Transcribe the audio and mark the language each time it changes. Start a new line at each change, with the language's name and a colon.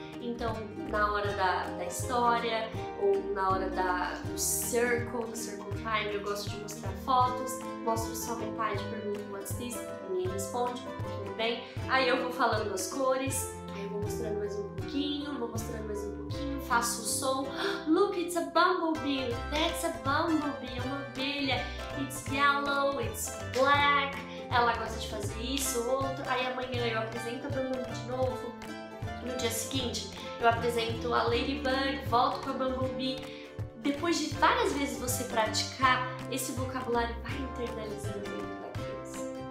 Portuguese: Então, na hora da história, ou na hora do circle time, eu gosto de mostrar fotos, mostro só metade, pergunto
English: what's this,
Portuguese: ninguém responde, tudo bem. Aí eu vou falando as cores, aí eu vou mostrando mais um pouquinho, faço o som.
English: Look, it's a bumblebee, that's a bumblebee,
Portuguese: uma abelha,
English: it's yellow, it's black.
Portuguese: Ela gosta de fazer isso, outro, aí amanhã eu apresento a bumblebee de novo. No dia seguinte, eu apresento a ladybug, volto com a bumblebee. Depois de várias vezes você praticar, esse vocabulário vai internalizando dentro da criança.